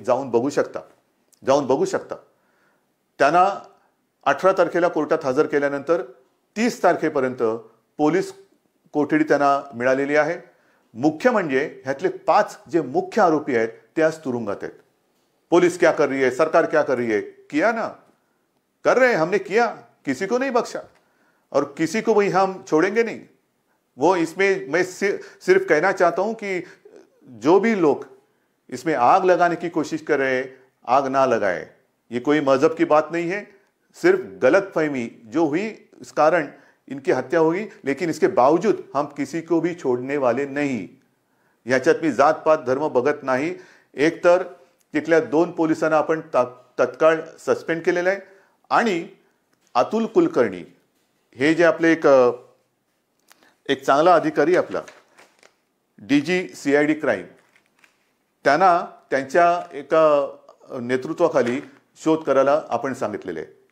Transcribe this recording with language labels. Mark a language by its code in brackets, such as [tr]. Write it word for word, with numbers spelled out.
[mr] जाऊन बघू शकता, जाऊन बघू शकता. त्यांना अठरा तारखेला कोर्टात हजर केल्यानंतर तीस तारखेपर्यंत पोलीस कोठडी त्यांना मिळालेली आहे. मुख्य म्हणजे ह्यातले पाच जे मुख्य आरोपी आहेत ते आज तुरुंगात आहेत. [hi] पोलीस क्या कर रही है, सरकार क्या कर रही है, किया ना, कर रहे हैं, हमने किया, किसी को नहीं बख्शा और किसी को भी हम छोड़ेंगे नहीं. वो इसमें मैं सिर्फ कहना चाहता हूं कि जो भी लोग इसमें आग लगाने की कोशिश कर रहे, आग ना लगाए। ये कोई मजहब की बात नहीं है, सिर्फ गलतफहमी जो हुई इस कारण इनकी हत्या होगी, लेकिन इसके बावजूद हम किसी को भी छोड़ने वाले नाही। [mr] ह्याच्यात मी जात पात धर्म बघत नाही। एकतर तिथल्या दोन पोलिसांना आपण ता- तत्काळ सस्पेंड केलेलं आहे, आणि अतुल कुलकर्णी हे जे आपले एक अ, एक चांगला अधिकारी आपला D G C I D crime, त्यांना त्यांच्या एका नेतृत्वाखाली शोध करायला आपण सांगितलेले आहे.